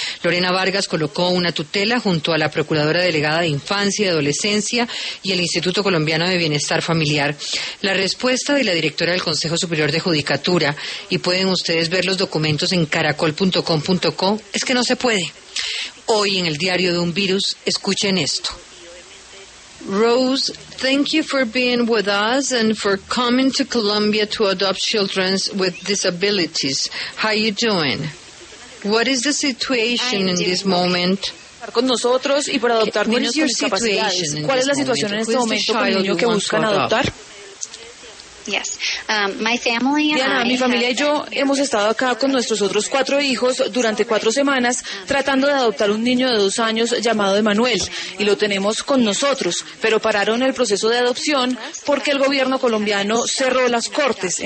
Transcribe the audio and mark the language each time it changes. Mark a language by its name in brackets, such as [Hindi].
[Spanish] Lorena Vargas colocó una tutela junto a la Procuradora Delegada de Infancia y Adolescencia y el Instituto Colombiano de Bienestar Familiar. La respuesta de la directora del Consejo Superior de Judicatura, y pueden ustedes ver los documentos en caracol.com.co, es que no se puede. Hoy en el diario de un virus, escuchen esto. [English] Rose, thank you for being with us and for coming to Colombia to adopt children with disabilities. How are you doing? What is the situation in this moment? [Spanish] Con nosotros y para adoptar niños con discapacidades. ¿Cuál es la situación en este momento con el niño que buscan adoptar? Diana, mi familia y yo hemos estado acá con nuestros otros 4 hijos durante 4 semanas tratando de adoptar un niño de 2 años llamado Emanuel, y lo tenemos con nosotros, pero pararon el proceso de adopción porque el gobierno colombiano cerró las cortes.